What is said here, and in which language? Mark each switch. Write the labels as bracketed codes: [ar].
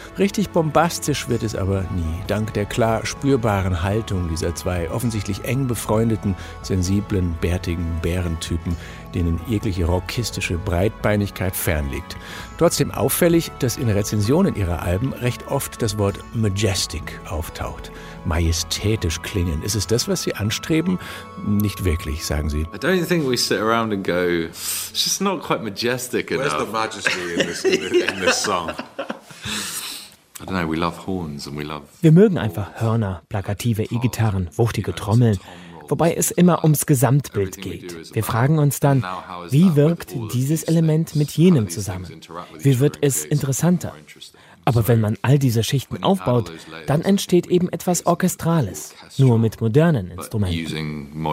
[de] Richtig bombastisch wird es aber nie, dank der klar spürbaren Haltung dieser zwei offensichtlich eng befreundeten, sensiblen, bärtigen Bärentypen, denen jegliche rockistische Breitbeinigkeit fernliegt. Trotzdem auffällig, dass in Rezensionen ihrer Alben recht oft das Wort Majestic auftaucht. Majestätisch klingen. Ist es das, was Sie anstreben? Nicht wirklich, sagen Sie. [en] I don't think we sit around and go, it's just not quite majestic enough. Where's the majesty in this song? I don't know, we love horns and we love... [de] Wir mögen einfach Hörner, plakative E-Gitarren, wuchtige Trommeln. Wobei es immer ums Gesamtbild geht. Wir fragen uns dann, wie wirkt dieses Element mit jenem zusammen? Wie wird es interessanter? Aber wenn man all diese Schichten aufbaut, dann entsteht eben etwas Orchestrales, nur mit modernen Instrumenten.